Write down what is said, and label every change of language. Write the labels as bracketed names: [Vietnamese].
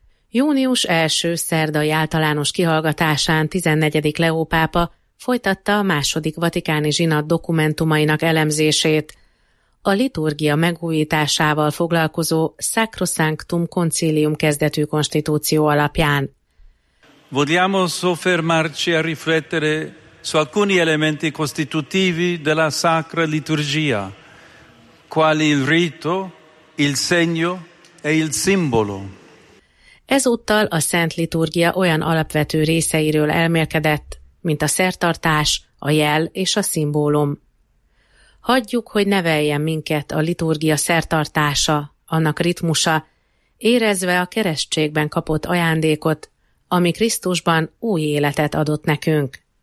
[Hungarian] Június első szerdai általános kihallgatásán 14. Leó pápa folytatta a II. Vatikáni zsinat dokumentumainak elemzését. A liturgia megújításával foglalkozó Sacrosanctum Concilium kezdetű konstitúció alapján. [Italian] Vogliamo soffermarci a riflettere su alcuni elementi costitutivi della sacra liturgia, quali il rito, il segno e il simbolo. [Hungarian] Ezúttal a szent liturgia olyan alapvető részeiről elmélkedett, mint a szertartás, a jel és a szimbólum. Hagyjuk, hogy neveljen minket a liturgia szertartása, annak ritmusa, érezve a keresztségben kapott ajándékot, ami Krisztusban új életet adott nekünk.